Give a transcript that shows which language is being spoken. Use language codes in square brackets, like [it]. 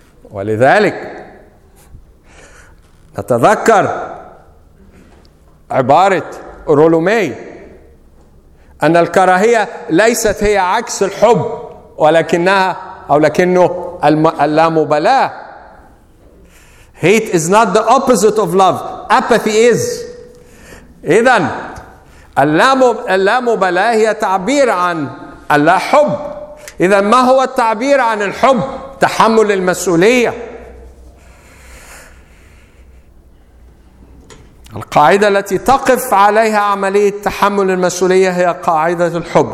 [ar] ولذلك نتذكر عبارة رولومي أن الكراهية ليست هي عكس الحب، ولكنها أو لكنه اللامبالاة. [en] Hate is not the opposite of love. Apathy is. [ar] إذن اللامبالاة هي تعبير عن اللا حب. إذن ما هو التعبير عن الحب؟ تحمل المسؤولية. القاعدة التي تقف عليها عملية تحمل المسؤولية هي قاعدة الحب.